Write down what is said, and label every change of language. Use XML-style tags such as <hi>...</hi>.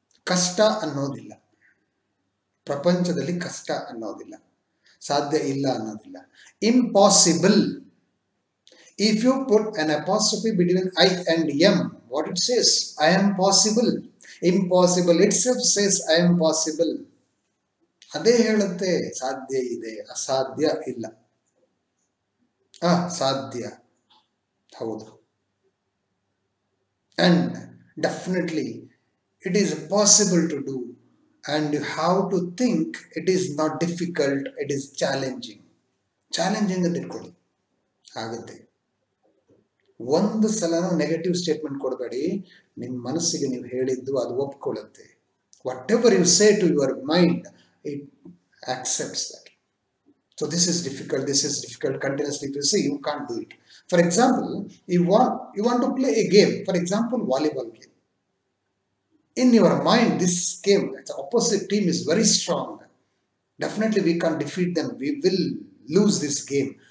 <kn>ಕಷ್ಟ ಅನ್ನೋದಿಲ್ಲ ಪ್ರಪಂಚದಲ್ಲಿ, ಕಷ್ಟ ಅನ್ನೋದಿಲ್ಲ, ಸಾಧ್ಯ ಇಲ್ಲ ಅನ್ನೋದಿಲ್ಲ.</kn> <en>Impossible, if you put an apostrophe between I and M, what it says? I am possible. Impossible itself says I am possible.</en> <kn>Adhe helutte sadhya ide, asadhya illa. Ah, sadhya. Haudu.</kn> <en>And definitely it is possible to do, and you have to think it is not difficult, it is challenging.</en> <kn>Challenging adhe kodi. Agutte. ಒಂದು ಸಲನ negative statement ಕೊಡಬೇಡಿ. ನಿಮ್ಮ ಮನಸ್ಸಿಗೆ ನೀವು ಹೇಳಿದ್ದು ಅದು ಒಪ್ಕೊಳ್ಳುತ್ತೆ.</kn> <en>Whatever you say to your mind, it accepts that. So this is difficult continuously to say, you can't do it. For example, you want to play a game, for example, volleyball game. In your mind, this game, the opposite team is very strong. Definitely we can't defeat them. We will lose this game.</en>